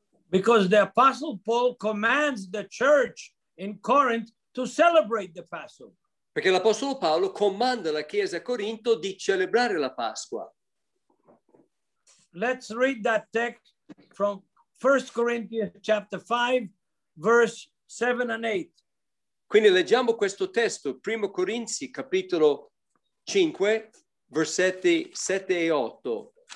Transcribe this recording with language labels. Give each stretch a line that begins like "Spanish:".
English: Because the Apostle Paul commands the church in Corinth to celebrate the Passover.
Italian: Perché l'Apostolo Paolo comanda la Chiesa a Corinto di celebrare la Pasqua.
English: Let's read that text from 1 Corinthians chapter 5, verse 7 and 8.
Italian: Quindi leggiamo questo testo, 1 Corinzi, capitolo 5, versetti 7 e 8.